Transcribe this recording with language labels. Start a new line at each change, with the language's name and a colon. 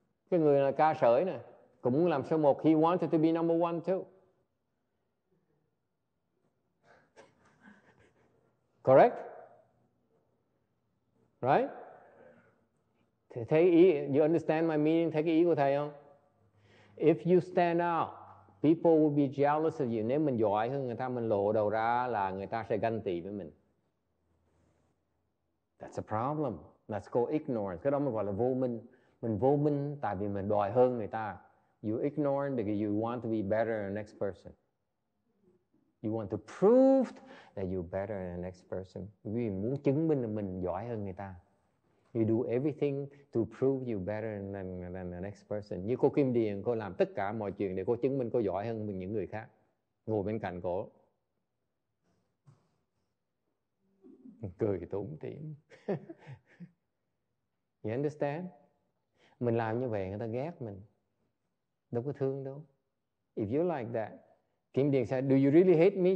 Vietnamese: Cái người là ca sởi này cũng muốn làm số một.
English: He wanted to be number one too. Correct? Right? You understand my meaning?
Vietnamese: Thấy cái ý của thầy không?
English: If you stand out, people will be jealous of you.
Vietnamese: Nếu mình giỏi hơn người ta, mình lộ đầu ra là người ta sẽ ganh tị với mình.
English: That's a problem. That's called ignorance.
Vietnamese: Cái đó mình gọi là vô minh. Mình vô minh tại vì mình đòi hơn người ta.
English: You ignorant because you want to be better than the next person. You want to prove that you're better than the next person.
Vietnamese: Vì muốn chứng minh là mình giỏi hơn người ta.
English: You do everything to prove you better than the next person.
Vietnamese: Như cô Kim Điền, cô làm tất cả mọi chuyện để cô chứng minh cô giỏi hơn những người khác. Ngồi bên cạnh cô. Cười tủm tỉm.
English: You understand?
Vietnamese: Mình làm như vậy người ta ghét mình. Đâu có thương đâu.
English: If you like that, Kim Điền said, do you really hate me?